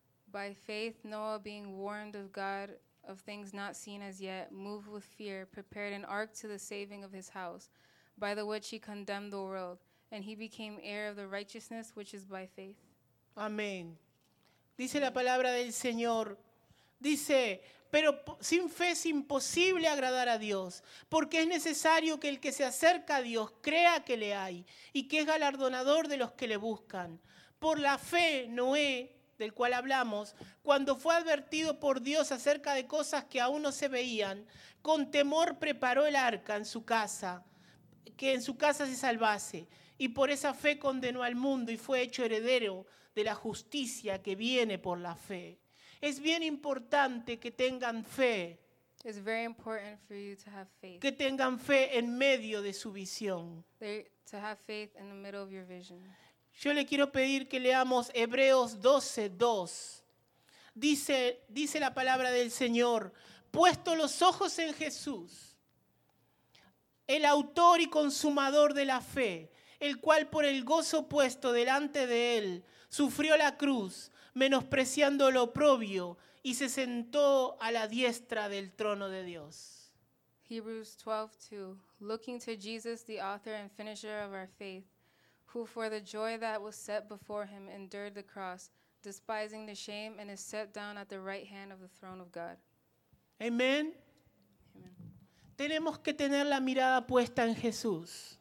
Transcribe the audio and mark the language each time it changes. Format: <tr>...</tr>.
<en>By faith Noah, being warned of God of things not seen as yet, moved with fear, prepared an ark to the saving of his house, by the which he condemned the world, and he became heir of the righteousness which is by faith.</en> <es>Amén. Dice la palabra del Señor. Dice, pero sin fe es imposible agradar a Dios, porque es necesario que el que se acerca a Dios crea que le hay y que es galardonador de los que le buscan. Por la fe, Noé, del cual hablamos, cuando fue advertido por Dios acerca de cosas que aún no se veían, con temor preparó el arca en su casa, que en su casa se salvase, y por esa fe condenó al mundo y fue hecho heredero de la justicia que viene por la fe. Es bien importante que tengan fe.</es> <en>It's very important for you to have faith.</en> <es>Que tengan fe en medio de su visión.</es> <en>To have faith in the middle of your vision.</en> <es>Yo le quiero pedir que leamos Hebreos 12:2. Dice la palabra del Señor: puesto los ojos en Jesús, el autor y consumador de la fe, el cual por el gozo puesto delante de él sufrió la cruz, menospreciando lo oprobio, y se sentó a la diestra del trono de Dios.</es> <en>Hebrews 12:2. Looking to Jesus, the author and finisher of our faith, who for the joy that was set before him endured the cross, despising the shame, and is set down at the right hand of the throne of God. Amen. Amen.</en> <es>Tenemos que tener la mirada puesta en Jesús.</es>